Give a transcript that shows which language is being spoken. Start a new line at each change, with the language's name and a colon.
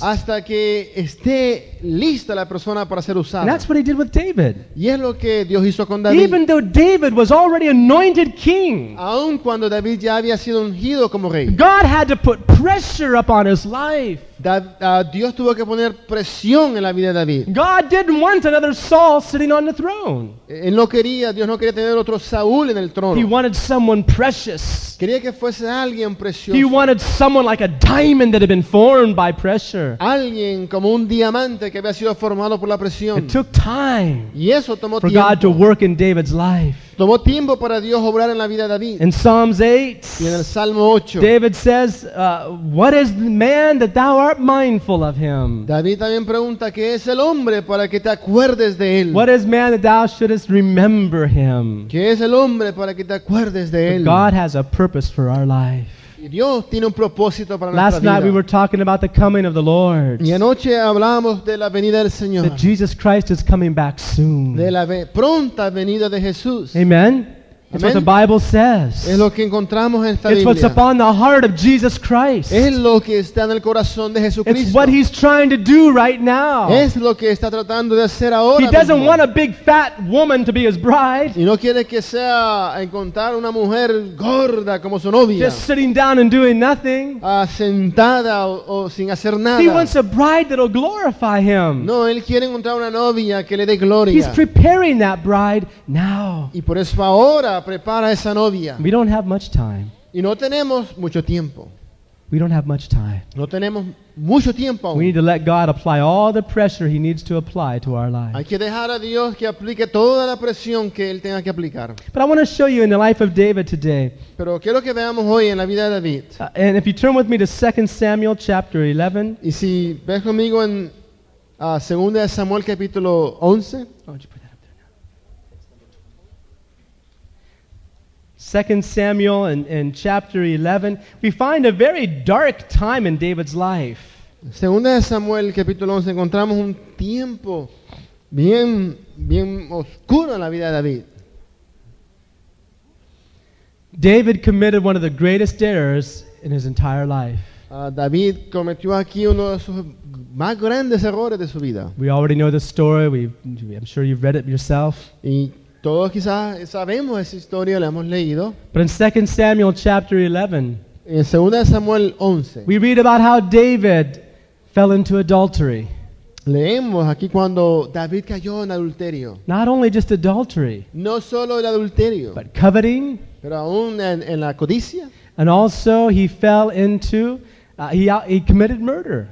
Spanish: Hasta que esté lista la persona para ser usada.
English: And that's what He did with David.
Spanish: Y es lo que Dios hizo con David.
English: Even though David was already anointed king.
Spanish: Aun cuando David ya había sido ungido como rey.
English: God had to put pressure upon his life.
Spanish: Dios tuvo que poner presión en la vida de David.
English: God didn't want another Saul sitting on the throne.
Spanish: Él no quería, Dios no quería tener otro Saúl en el trono.
English: He wanted someone precious.
Spanish: Quería que fuese alguien precioso.
English: He wanted someone like a diamond that had been formed by pressure.
Spanish: Alguien como un diamante que había sido formado por la presión.
English: It took time.
Spanish: Y eso tomó
English: for
Spanish: tiempo.
English: God to work in David's life.
Spanish: Tomó tiempo para Dios obrar en la vida de David.
English: In Psalms 8,
Spanish: y en el Salmo 8,
English: David says, what is man that thou art mindful of him?
Spanish: David también pregunta, ¿qué es el hombre para que te acuerdes de él?
English: What is man that thou shouldest remember him?
Spanish: ¿Qué es el hombre para que te acuerdes de él?
English: But God has a purpose for our life.
Spanish: Dios tiene un propósito para nuestra vida.
English: Last night we were talking about the coming of the Lord.
Spanish: Y anoche hablamos de la venida del Señor.
English: That Jesus Christ is coming back soon.
Spanish: De la pronta venida de Jesús.
English: Amen. That's what the Bible says.
Spanish: Es lo que encontramos en esta
English: it's
Spanish: Biblia.
English: What's upon the heart of Jesus Christ.
Spanish: Es lo que está en el corazón de Jesucristo.
English: It's what He's trying to do right now.
Spanish: Es lo que está tratando de hacer ahora
English: He doesn't
Spanish: mismo.
English: Want a big fat woman to be His bride.
Spanish: Y no quiere que sea encontrar una mujer gorda como su novia.
English: Just sitting down and doing nothing.
Spanish: Sentada o sin hacer nada.
English: He wants a bride that will glorify Him.
Spanish: No, Él quiere encontrar una novia que le dé gloria.
English: He's preparing that bride now.
Spanish: Y por eso ahora prepara esa novia.
English: We don't have much time.
Spanish: Y no tenemos mucho tiempo.
English: We don't have much time.
Spanish: No tenemos mucho tiempo.
English: We need to let God apply all the pressure He needs to apply to our lives.
Spanish: Hay que dejar a Dios que aplique toda la presión que Él tenga que aplicar.
English: But I want to show you in the life of David today.
Spanish: Pero quiero que veamos hoy en la vida de David.
English: And if you turn with me to 2 Samuel chapter 11.
Spanish: Y si ves conmigo en 2 Samuel capítulo 11.
English: Second Samuel and chapter 11, we find a very dark time in David's life.
Spanish: Segunda de Samuel capítulo 11 encontramos un tiempo bien oscuro en la vida de David.
English: David committed one of the greatest errors in his entire life.
Spanish: David cometió aquí uno de sus más grandes errores de su vida.
English: We already know the story. I'm sure you've read it yourself.
Spanish: Todos quizás sabemos esa historia, la hemos leído.
English: But in 2 Samuel chapter 11,
Spanish: en 2 Samuel 11,
English: we read about how David fell into adultery.
Spanish: Leemos aquí cuando David cayó en adulterio.
English: Not only just adultery,
Spanish: no solo el adulterio,
English: but coveting,
Spanish: pero aún en la codicia.
English: And also he fell into he committed murder.